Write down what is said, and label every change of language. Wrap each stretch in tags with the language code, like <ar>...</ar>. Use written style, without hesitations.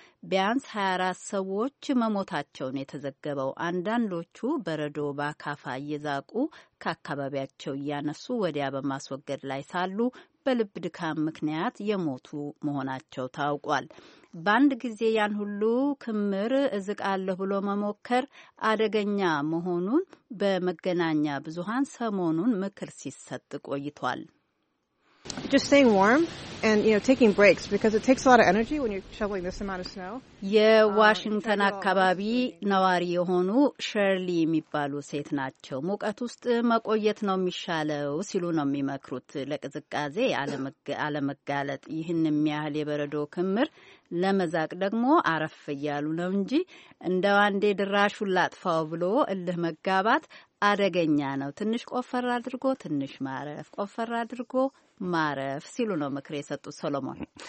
<am>ቢያንስ 24 ሰዎች መሞታቸውን የተዘገበው፣ አንዳንዶቹ በረዶ በአካፋ እየዛቁ ከአካባቢያቸው እያነሱ ወዲያ በማስወገድ ላይ ሳሉ በልብ ድካም ምክንያት የሞቱ መሆናቸው ታውቋል። በአንድ ጊዜ ያን ሁሉ ክምር እዝቃለሁ ብሎ መሞከር አደገኛ መሆኑን በመገናኛ ብዙሃን ሰሞኑን ምክር ሲሰጥ ቆይቷል።</am> <en>Just staying warm and, you know, taking breaks because it takes a lot of energy when you're shoveling this amount of snow.</en> <am>የዋሽንግተን አካባቢ ነዋሪ የሆኑ ሸርሊ የሚባሉ ሴት ናቸው። ሙቀት ውስጥ መቆየት ነው የሚሻለው ሲሉ ነው የሚመክሩት ለቅዝቃዜ አለመጋለጥ። ይህንም ያህል የበረዶ ክምር ለመዛቅ ደግሞ አረፍ እያሉ ነው እንጂ እንደ ዋንዴ ድራሹን ላጥፋው ብሎ እልህ መጋባት አደገኛ ነው። ትንሽ ቆፈር አድርጎ ትንሽ ማረፍ፣ ቆፈር አድርጎ ማረፍ ሲሉ ነው ምክር የሰጡት ሰሎሞን።</am>